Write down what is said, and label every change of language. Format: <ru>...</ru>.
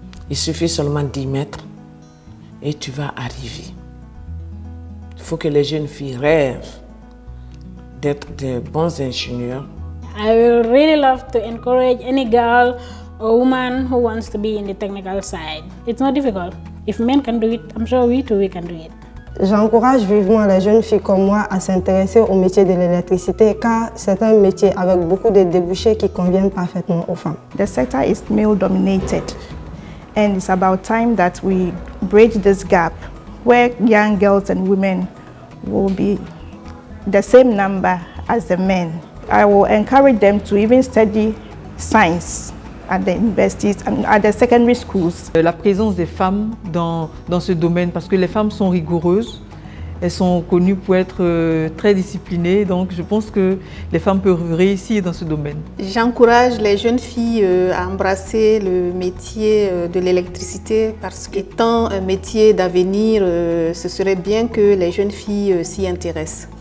<fr>Il suffit seulement d'y mettre et tu vas arriver. Il faut que les jeunes filles rêvent d'être de bons ingénieurs.</fr> <en>I will really love to encourage any girl a woman who wants to be in the technical side. It's not difficult. If men can do it, I'm sure we too we can do it.</en> <fr>J'encourage vivement les jeunes filles comme moi à s'intéresser au métier de l'électricité car c'est un métier avec beaucoup de débouchés qui conviennent parfaitement aux femmes.</fr> <en>The sector is male dominated and it's about time that we bridge this gap where young girls and women will be the same number as the men. I will encourage them to even study science at the universities and at the secondary schools.</en> <fr>La présence des femmes dans ce domaine, parce que les femmes sont rigoureuses, elles sont connues pour être très disciplinées, donc je pense que les femmes peuvent réussir dans ce domaine. J'encourage les jeunes filles à embrasser le métier de l'électricité parce qu'étant un métier d'avenir, ce serait bien que les jeunes filles s'y intéressent.</fr>